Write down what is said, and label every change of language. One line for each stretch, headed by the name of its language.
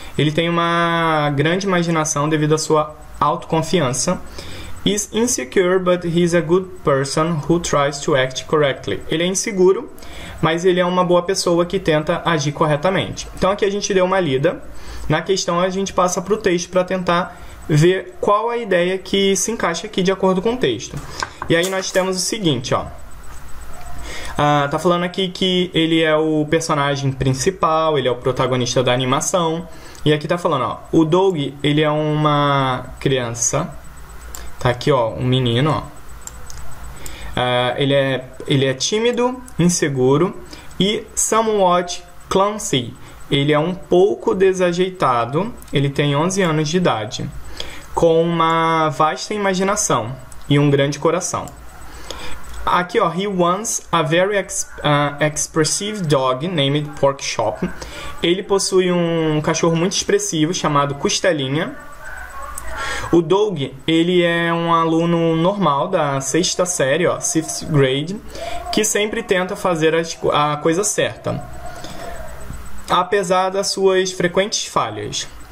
Portuguese: Ele tem uma grande imaginação devido à sua autoconfiança.
English: Is insecure, but he's a good person who tries to act correctly.
Portuguese: Ele é inseguro, mas ele é uma boa pessoa que tenta agir corretamente. Então aqui a gente deu uma lida. Na questão a gente passa para o texto para tentar ver qual a ideia que se encaixa aqui de acordo com o texto. E aí nós temos o seguinte, ó. Tá falando aqui que ele é o personagem principal, ele é o protagonista da animação. E aqui tá falando, ó, o Doug, ele é uma criança. Tá aqui, ó, um menino, ó. Ele é tímido, inseguro e
English: somewhat clumsy.
Portuguese: Ele é um pouco desajeitado, ele tem 11 anos de idade, com uma vasta imaginação e um grande coração. Aqui, ó,
English: he wants a very expressive dog named Porkchop.
Portuguese: Ele possui um cachorro muito expressivo chamado Costelinha. O Doug, ele é um aluno normal da sexta série, ó, sixth grade, que sempre tenta fazer a coisa certa, apesar das suas frequentes falhas.